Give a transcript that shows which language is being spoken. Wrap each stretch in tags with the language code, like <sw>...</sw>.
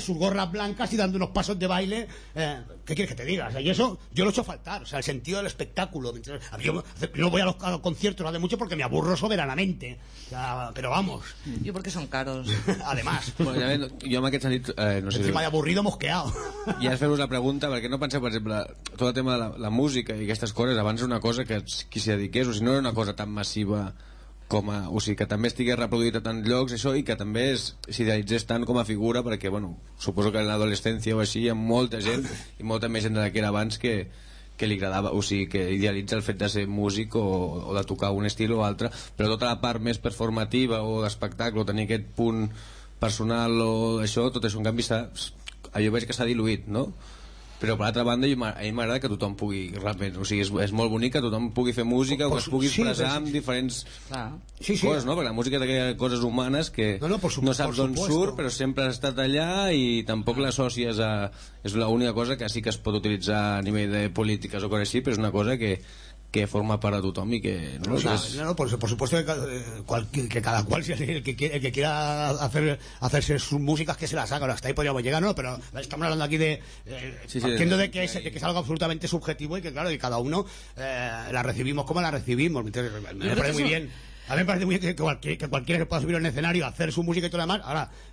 <es>Sus gorras blancas y dando unos pasos de baile. ¿Qué quieres que te diga? O sea, y eso yo lo echo a faltar. O sea, el sentido del espectáculo. Yo no voy a los conciertos, no hace mucho, porque me aburro soberanamente. O sea, pero vamos. Yo porque son caros. Además. Bueno, ya ven, yo me he quedado... Encima de aburrido, mosqueado.</es> <ca>Ja es fer-vos la pregunta, perquè no penseu, per exemple, tot el tema de la música i aquestes coses, abans era una cosa que qui s'hi dediqués, o si no era una cosa tan massiva... com a, o sigui, que també estigués reproduït a tants llocs això, i que també s'idealitzés tant com a figura, perquè bueno, suposo que en l'adolescència o així hi ha molta gent i molta més gent de la que era abans que li agradava, o sigui, que idealitza el fet de ser músic o de tocar un estil o altre, però tota la part més performativa o d'espectacle, o tenir aquest punt personal o això, tot això en canvi allò veig que s'ha diluït, no? Però per l'altra banda, a mi m'agrada que tothom pugui realment, o sigui, és molt bonic que tothom pugui fer música, que es pugui expressar amb diferents coses, no? Perquè la música és d'aquelles coses humanes que no saps d'on surt, però sempre has estat allà i tampoc l'associes a... És l'única cosa que sí que es pot utilitzar a nivell de polítiques o coses així, però és una cosa que forma part de tothom i que...</ca> <es>No, por supuesto que cada cual, el que quiera hacerse sus músicas, que se las haga, hasta ahí podríamos llegar, ¿no? Pero estamos hablando aquí de... partiendo de que es algo absolutamente subjetivo y que, claro, que cada uno la recibimos como la recibimos. Me parece muy bien. A mí me parece muy bien que cualquiera que pueda subir a un escenario, hacer su música y todo lo demás, ahora...</es>